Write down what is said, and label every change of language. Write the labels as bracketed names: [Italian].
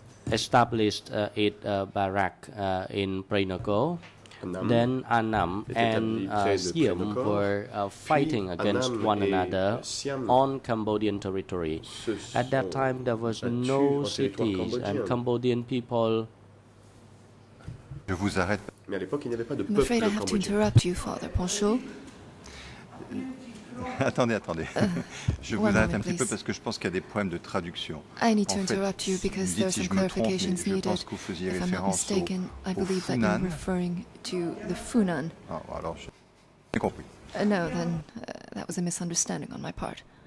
[English] established a barrack in Prenoko, then Annam and Siam were fighting against one another on Cambodian territory. At that time, there was no cities, and Cambodian people. [French] Je vous arrête. Mais à l'époque, il n'y avait pas de peuple cambodgien. [English] I'm afraid I have to interrupt you, Father Poncho. [French] Attendez. Je vous arrête un petit peu parce que je pense qu'il y a des problèmes de traduction. [English] I need to interrupt you because there are some clarifications needed. [French] Je pense que vous faisiez référence au Funan. [English] Referring to the Funan. [French] Ah, alors j'ai compris. [English] No, then that was a misunderstanding on my part.